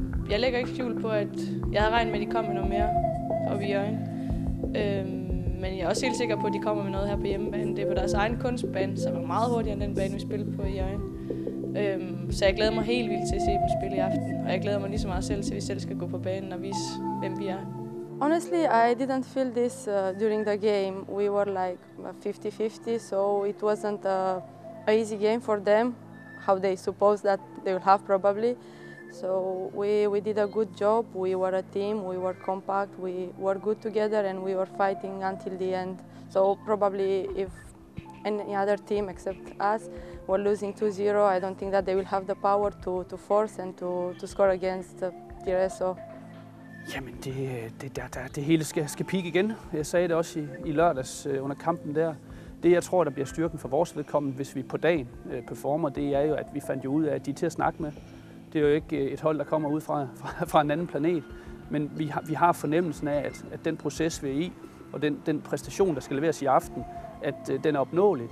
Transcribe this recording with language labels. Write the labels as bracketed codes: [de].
[da] Jeg lægger ikke skjul på, at jeg havde regnet med, at de kom med noget mere op i øjen. Men jeg er også helt sikker på, at de kommer med noget her på hjemmebane. Det er på deres egen kunstbane, som er meget hurtigere end den bane, vi spillede på i øjen. Så jeg glæder mig helt vildt til at se dem spille i aften. Og jeg glæder mig lige så meget selv, til vi selv skal gå på banen og vise, hvem vi er. [en] Honestly, I didn't feel this during the game. We were like 50-50, so it wasn't an easy game for them, how they supposed that they will have probably. So we did a good job. We were a team. We were compact. We were good together, and we were fighting until the end. So probably if any other team except us were losing 2-0, I don't think that they will have the power to force and to score against Tirreso. [da] Jamen det hele skal peak igen. Jeg sagde det også i lørdags under kampen der. Det jeg tror der bliver styrken for vores vedkommende, hvis vi på dagen performer, det er jo at vi fandt jo ud af at de er til at snakke med. Det er jo ikke et hold der kommer ud fra en anden planet, men vi har fornemmelsen af at den proces vi er i og den præstation der skal leveres i aften, at den er opnåelig.